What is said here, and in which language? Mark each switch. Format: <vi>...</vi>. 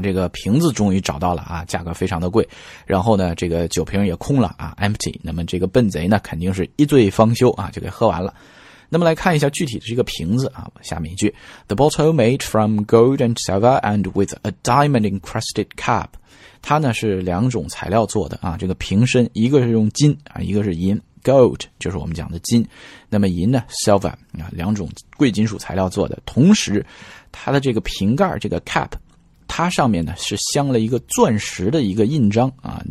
<zh>这个瓶子终于找到了啊，价格非常的贵。然后呢这个酒瓶也空了啊 ,empty。那么这个笨贼呢肯定是一醉方休啊，就给喝完了。那么来看一下具体的这个瓶子啊，下面一句。</zh> <en>The bottle made from gold and silver and with a diamond encrusted cap。</en> <zh>它呢是两种材料做的啊，这个瓶身一个是用金啊，一个是银。 Gold 就是我们讲的金，那么银呢 ？Silver 啊，两种贵金属材料做的。同时，它的这个瓶盖这个 cap， 它上面呢是镶了一个钻石的一个印章啊。</zh>